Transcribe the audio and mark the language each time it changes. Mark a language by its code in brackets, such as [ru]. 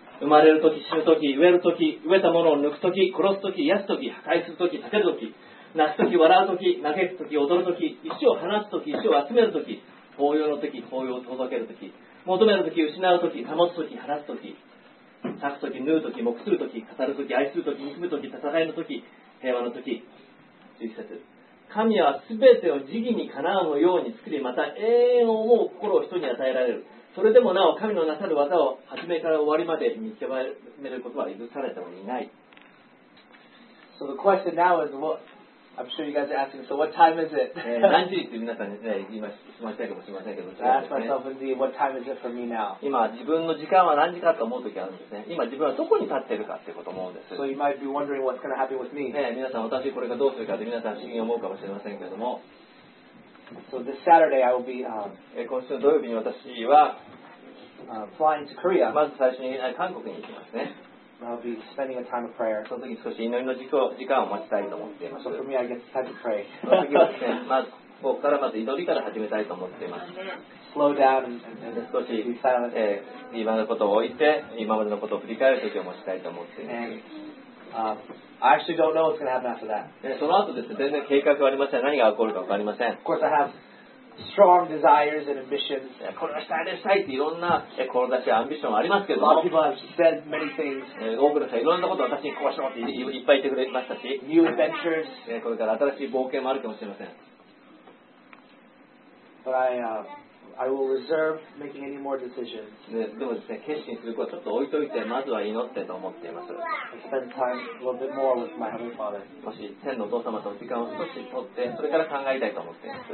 [ja] 生まれるとき、死ぬとき、植えるとき、植えたものを抜くとき、殺すとき、癒すとき、破壊するとき、立てるとき、泣くとき、笑うとき、嘆くとき、踊るとき、石を放つとき、石を集めるとき、抱擁のとき、抱擁を届けるとき、求めるとき、失うとき、保つとき、話すとき、裂くとき、縫うとき、黙するとき、語るとき、愛するとき、憎むとき、戦いのとき、平和のとき。実質。神はすべてを慈悲にかなうように作り、また永遠を思う心を人に与えられる。それでもなお神のなさる技を始めから終わりまで見極めることは許されておりない。 [en] So the question now is, what? I'm sure you guys are asking. So what time is it? [ja] 何時って皆さんね、今質問したいかもしれませんけど。 [en] I ask myself indeed, what time is it for me now? [ja] 今自分の時間は何時かと思うときあるんですね。今自分はどこに立ってるかってこと思うんです。 [en] So you might be wondering what's going to happen with me. [ja] 皆さん私これがどうするかって皆さん不思議に思うかもしれませんけども。 [en] So this Saturday I will be, [ja] 今週の土曜日に私は [en] flying to Korea. [ja] まず最初に韓国に行きますね。 [en] I'll be spending a time of prayer. [ja] その時に少し祈りの時間を持ちたいと思っています。 [en] So for me, I get time to pray. [ja] まずここからまず祈りから始めたいと思っています。 [en] Slow down and [ja] 少し今のことを置いて今までのことを振り返る時を持ちたいと思っています。 [en] I actually don't know what's going to happen after that. [ja] その後ですね、全然計画はありません。何が起こるか分かりません。 [en] Of course, I have strong desires and ambitions. [ja] これはしたい、したいっていろんな志やアンビションはありますけども [en] 。A lot of people have said many things. [ja] 多くの人はいろんなことを私にこうしようっていっぱい言ってくれましたし。 [en] New adventures. [ja] これから新しい冒険もあるかもしれません。 [en] But I will reserve making any more decisions. [ja] でもですね、決心することはちょっと置いといて、まずは祈ってと思っています。 [en] Spend time a little bit more with my Heavenly Father. [ja] もし天のお父様と時間を少し取って、それから考えたいと思っています。